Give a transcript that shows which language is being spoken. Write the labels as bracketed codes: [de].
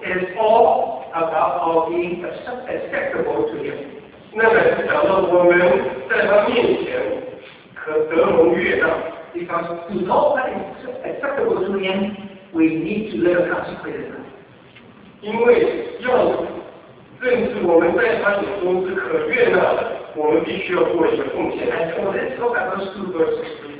[en] it's all about our being acceptable to him. [zh] 那乃是讲到我们在他面前可得荣悦纳, [en] because to know that it's acceptable to him, we need to live consecrated. [zh] 因为要认识我们在他眼中是可悦纳的, 我们必须要做一个奉献. [en] And for this, look at those two verses.